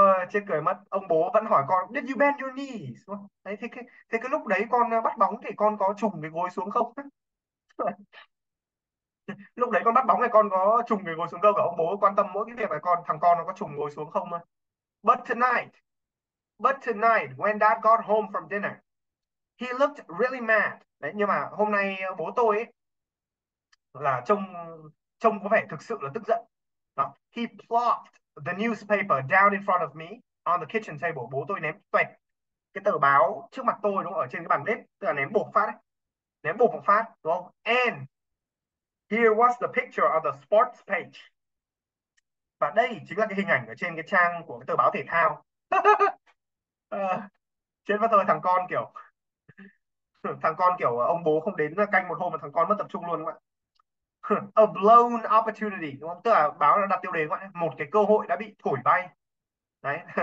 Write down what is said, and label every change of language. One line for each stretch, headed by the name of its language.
Vietnamese: chết cười mất, ông bố vẫn hỏi con
English: did you bend your knees
Vietnamese: đúng không? Đấy, thế cái lúc đấy con bắt bóng thì con có trùng cái gối xuống không. Lúc đấy con bắt bóng này con có trùng người ngồi xuống đâu, cả ông bố quan tâm mỗi cái việc là con, thằng con nó có trùng ngồi xuống không thôi.
English: But tonight when dad got home from dinner, he looked really mad.
Vietnamese: Đấy, nhưng mà hôm nay bố tôi ấy, là trông trông có vẻ thực sự là tức giận. Đó.
English: He plopped the newspaper down in front of me on the kitchen table.
Vietnamese: Bố tôi ném toẹt cái tờ báo trước mặt tôi đúng không? Ở trên cái bàn bếp, tức là ném bột phát ấy. Ném bột một phát đúng không?
English: And here was the picture of the sports page.
Vietnamese: Và đây chính là cái hình ảnh ở trên cái trang của cái tờ báo thể thao. trên mắt tôi thằng con kiểu thằng con kiểu ông bố không đến canh một hôm mà thằng con mất tập trung luôn các bạn.
English: A blown opportunity,
Vietnamese: đúng không? Tức là báo nó đặt tiêu đề các bạn, một cái cơ hội đã bị thổi bay. Đấy.